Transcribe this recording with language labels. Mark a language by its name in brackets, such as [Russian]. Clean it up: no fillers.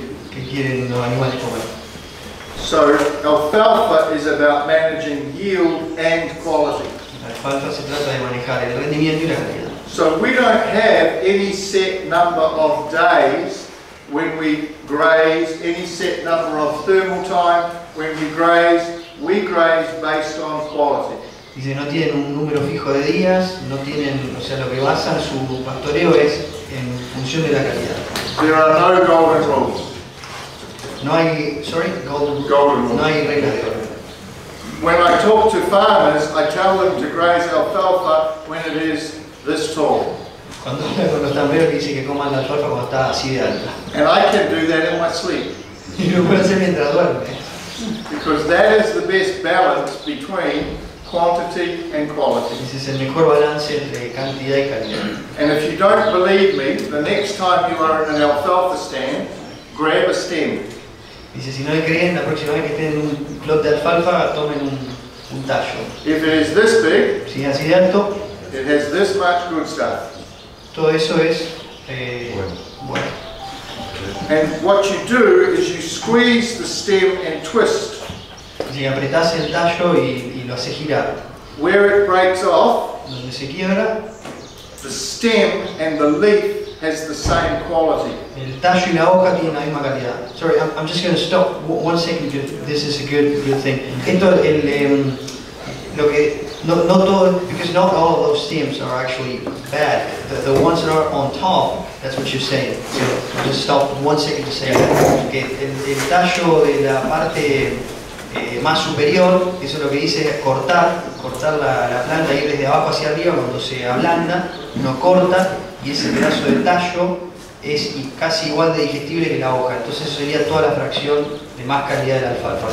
[English] 1.9 So alfalfa is about managing yield and quality. [Spanish] Alfalfa se trata de manejar el rendimiento y la calidad. [English] So we don't have any set number of days when we graze, any set number of thermal time when we graze based on quality. [Spanish] Dice, no tienen un número fijo de días, no tienen, o sea, lo que basan su pastoreo es en función de la calidad. [English] There are no golden rules. [Spanish] No hay, [English] sorry, golden rules. [Spanish] No hay regla de oro. [English] When I talk to farmers, I tell them to graze alfalfa when it is this tall. [Spanish] Cuando hablo con los tamberos dice que coman la alfalfa cuando está así de alta. [English] And I can do that in my sleep. [Spanish] Y lo puedo hacer mientras duerme. [English] Because that is the best balance between quantity and quality. [Spanish] Ese es el mejor balance entre cantidad y calidad. [English] And if you don't believe me, the next time you are in an alfalfa stand, grab a stem. [Spanish] Dice, si no le creen, la próxima vez que estén en un plot de alfalfa, tomen un tallo. [English] If it is this big, [Spanish] si es así de alto, [English] it has this much good stuff. [Spanish] Todo eso es bueno. [English] And what you do is you squeeze the stem and twist. [Spanish] Si apretás el tallo y lo hace girar. [English] Where it breaks off, [Spanish] donde se quiebra, [English] the stem and the leaf has the same quality. [Spanish] El tallo y la hoja tienen la misma calidad. [English] Sorry, I'm just going to stop one second. This is a good thing. [Spanish] Esto el lo que no todo, [English] because not all of those stems are actually bad. The ones that are on top, that's what you're saying. So I'll just stop one second to say that. [Spanish] Que el tallo de la parte más superior, eso es lo que dice cortar la planta, ir desde abajo hacia arriba cuando se ablanda, no corta. Y ese pedazo de tallo es casi igual de digestible que la hoja. Entonces eso sería toda la fracción de más calidad de la alfalfa.